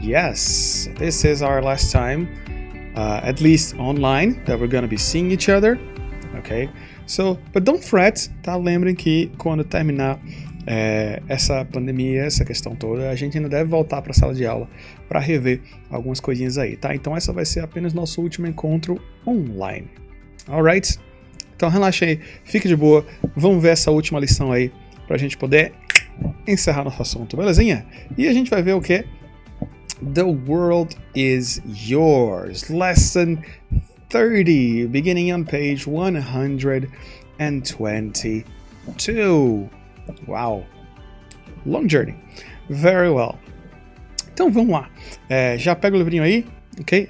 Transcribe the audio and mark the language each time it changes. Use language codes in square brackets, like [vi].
[en] Yes, this is our last time, at least online, that we're going to be seeing each other. Okay, so, but don't fret, [pt] tá? Lembrem que quando terminar essa pandemia, essa questão toda, a gente ainda deve voltar para a sala de aula para rever algumas coisinhas aí, tá? Então essa vai ser apenas nosso último encontro online. Alright, então relaxa aí, fica de boa, vamos ver essa última lição aí para a gente poder encerrar nosso assunto, belezinha? E a gente vai ver o quê? [en] The world is yours, lesson 30, beginning on page 122. Wow, long journey, very well. [pt] Então vamos lá, já pega o livrinho aí, ok?